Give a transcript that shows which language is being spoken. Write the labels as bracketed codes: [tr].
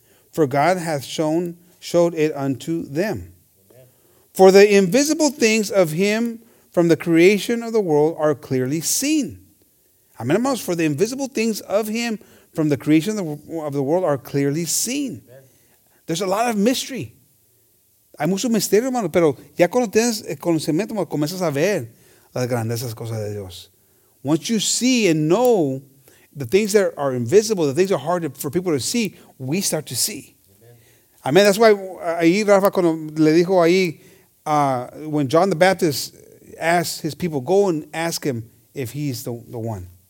[en] For God hath showed it unto them. Amen. For the invisible things of him from the creation of the world are clearly seen. Amen, hermanos. For the invisible things of him from the creation of the world are clearly seen. Amen. There's a lot of mystery. [es] Hay mucho misterio, hermano, pero ya cuando tienes conocimiento, hermano, comienzas a ver las grandezas cosas de Dios. [en] Once you see and know the things that are invisible, the things that are hard for people to see, we start to see. Amen. I mean, that's why [es] ahí Rafa cuando le dijo ahí, [en] when John the Baptist asked his people, go and ask him if he's the one.